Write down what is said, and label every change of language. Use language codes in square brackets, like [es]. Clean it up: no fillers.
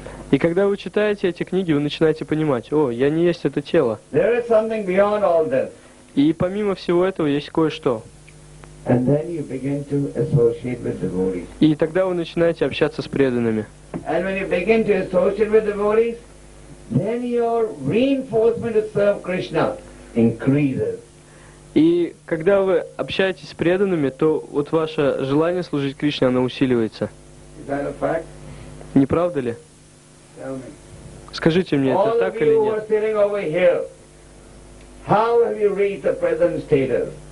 [ru] И когда вы читаете эти книги, вы начинаете понимать, о, я не есть это тело. [en] There is something beyond all this. [ru] И помимо всего этого есть кое-что. [en] And then you begin to associate with devotees. [ru] И тогда вы начинаете общаться с преданными. [en] And when you begin to associate with devotees, then your reinforcement to serve Krishna increases. [ru] И когда вы общаетесь с преданными, то вот ваше желание служить Кришне, оно усиливается. [en] Is that a fact? [ru] Не правда ли? Скажите мне, это так или нет?